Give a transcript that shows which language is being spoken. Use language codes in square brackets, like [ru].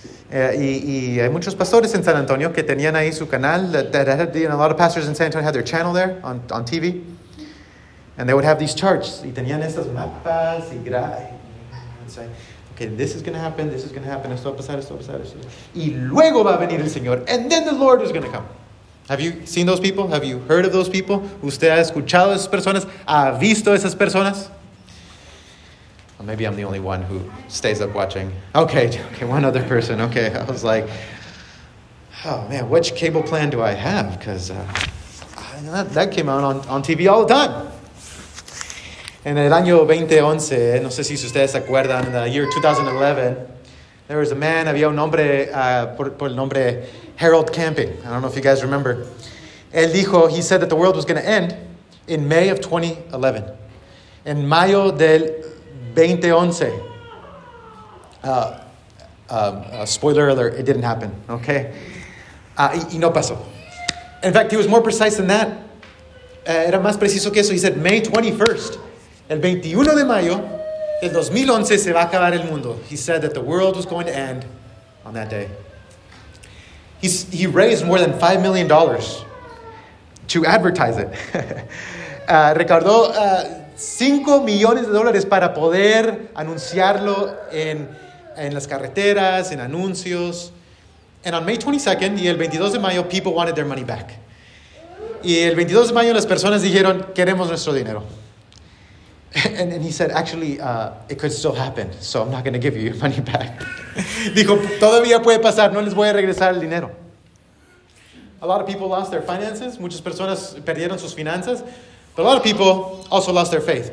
[es] Y hay muchos pastores en San Antonio que tenían ahí su canal. [en] A lot of pastors in San Antonio had their channel there on TV. And they would have these charts. [es] Y tenían estas mapas y [en] okay, this is going to happen, this is going to happen. [es] Esto va a pasar, esto va a pasar, esto va a pasar. Y luego va a venir el Señor. [en] And then the Lord is going to come. Have you seen those people? Have you heard of those people? [es] ¿Usted ha escuchado a esas personas? ¿Ha visto esas personas? [en] Well, maybe I'm the only one who stays up watching. Okay, one other person. Okay, I was like, oh man, which cable plan do I have? Because that came out on TV all the time. [es] En el año 2011, no sé si ustedes se acuerdan, [en] in the year 2011, there was a man, [es] había un hombre por el nombre Harold Camping. [en] I don't know if you guys remember. [es] Él dijo, [en] he said that the world was going to end in May of 2011. [es] En mayo del 2011. [en] Spoiler alert, it didn't happen, okay? [es] Y no pasó. [en] In fact, he was more precise than that. [es] Era más preciso que eso. [en] He said, May 21st. [es] El 21 de mayo del 2011 se va a acabar el mundo. [en] He said that the world was going to end on that day. He raised more than $5 million to advertise it. [es] Ricardo, 5 millones de dólares para poder anunciarlo en las carreteras, en anuncios. [en] And on May 22nd, [es] y el 22 de mayo, [en] people wanted their money back. [es] Y el 22 de mayo las personas dijeron, queremos nuestro dinero. [en] And he said, actually, it could still happen, so I'm not going to give you your money back. [es] Dijo, todavía puede pasar, no les voy a regresar el dinero. [en] A lot of people lost their finances, [es] muchas personas perdieron sus finanzas, [en] but a lot of people also lost their faith.